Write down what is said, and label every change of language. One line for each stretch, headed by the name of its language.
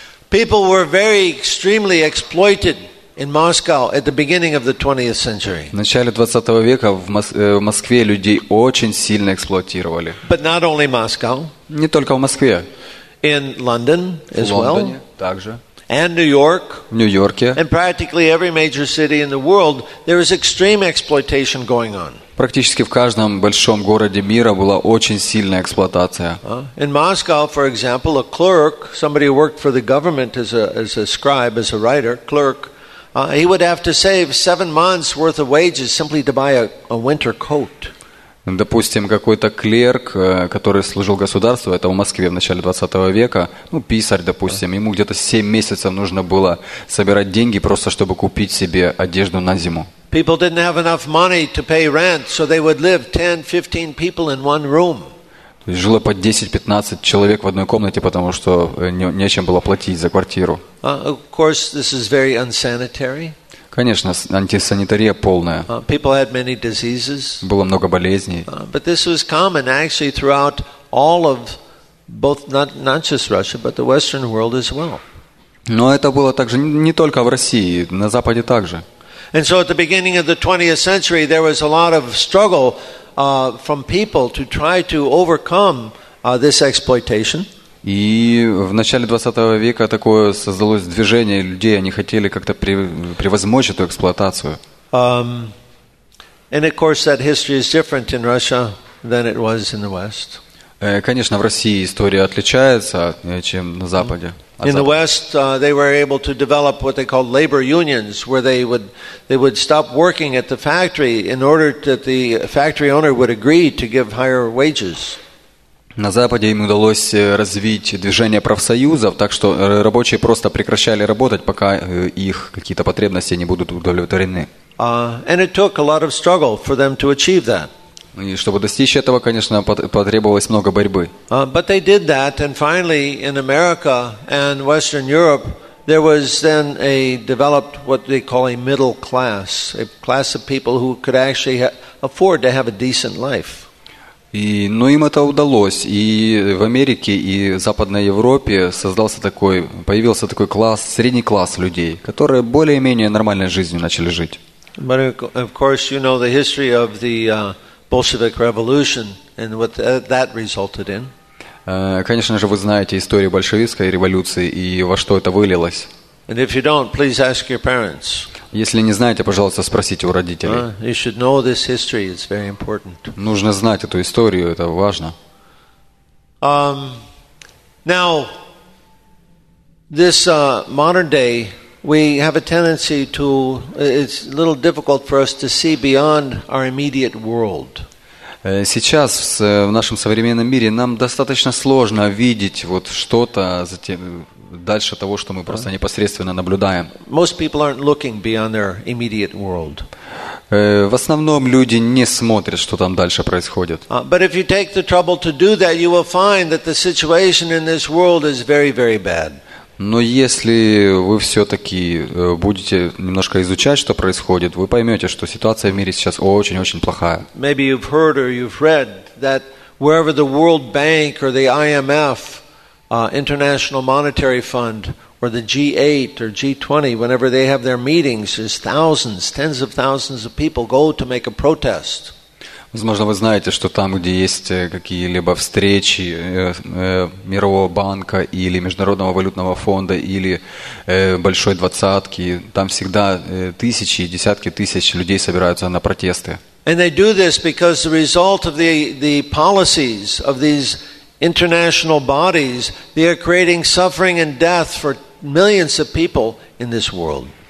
English: People were very extremely exploited in Moscow at the beginning of the 20th century.
Russian: В начале 20 века в Москве людей очень сильно эксплуатировали.
English: But not only Moscow.
Russian: Не только в Москве.
English: In London as well.
Russian: В Лондоне также.
English: And New York.
Russian: В Нью-Йорке.
English: And practically every major city in the world, there is extreme exploitation going on.
Russian: Практически в каждом большом городе мира была очень сильная эксплуатация.
English: In Moscow, for example, a clerk, somebody who worked for the government as a scribe, as a writer, clerk, he would have to save 7 months worth of wages simply to buy a winter coat.
Russian: Допустим, какой-то клерк, который служил государству, это в Москве в начале 20 века, ну, писарь, допустим, ему где-то 7 месяцев нужно было собирать деньги, просто чтобы купить себе одежду на зиму.
English: People didn't have enough money to pay rent, so they would live 10-15 people in one room.
Russian: То есть жило по 10-15 человек в одной комнате, потому что нечем было платить за квартиру.
English: Of course, this is very unsanitary.
Russian: Конечно, антисанитария полная.
English: People had many diseases.
Russian: Было много болезней.
English: But this was common actually throughout all of both not just Russia, but the Western world as well.
Russian: Но это было также не только в России, на Западе также.
English: And so at the beginning of the 20th century there was a lot of struggle from people to try to overcome this exploitation.
Russian: И в начале 20 века такое создалось движение людей, они хотели как-то превозмочь эту эксплуатацию.
English: And of course that history is different in Russia than it was in the West.
Russian: Конечно, в России история отличается, чем на Западе.
English: In the West, they were able to develop what they called labor unions, where they would stop working at the factory in order that the factory owner would agree to give higher wages.
Russian: На Западе им удалось развить движение профсоюзов, так что рабочие просто прекращали работать, пока их какие-то потребности не будут удовлетворены.
English: And it took a lot of struggle for them to achieve that.
Russian: И чтобы достичь этого, конечно, потребовалось много борьбы.
English: But they did that, and finally, in America and Western Europe, there was then a developed what they call a middle class, a class of people who could actually afford to have a decent life.
Russian: И, ну, им это удалось. И в Америке, и в Западной Европе появился такой класс, средний класс людей, которые более-менее нормальной жизнью начали жить.
English: But of course, you know the history of the Bolshevik Revolution and what that resulted in.
Russian: Конечно же, вы знаете историю большевистской революции и во что это вылилось.
English: And if you don't, please ask your parents.
Russian: Если не знаете, пожалуйста, спросите у родителей.
English: You should know this history. It's very important.
Russian: Нужно знать эту историю. Это важно.
English: Now, this modern day, we have a tendency to. It's a little difficult for us to see beyond our immediate world.
Russian: Сейчас в нашем современном мире нам достаточно сложно видеть вот что-то за тем. Дальше того, что мы просто непосредственно наблюдаем.
English: Most people aren't looking beyond their immediate world.
Russian: В основном люди не смотрят, что там дальше происходит.
English: But if you take the trouble to do that, you will find that the situation in this world is very, very bad.
Russian: Но если вы все-таки будете немножко изучать, что происходит, вы поймете, что ситуация в мире сейчас очень-очень плохая.
English: Maybe you've heard or you've read that wherever the World Bank or the IMF International Monetary Fund or the G8 or G20, whenever they have their meetings, there's thousands, tens of thousands of people go to make a protest.
Russian: Возможно, вы знаете, что там, где есть какие-либо встречи Мирового банка или Международного валютного фонда или Большой двадцатки, там всегда тысячи, десятки тысяч людей собираются на протесты.
English: And they do this because the result of the policies of these international bodies, they are creating suffering and death for millions of people in this world.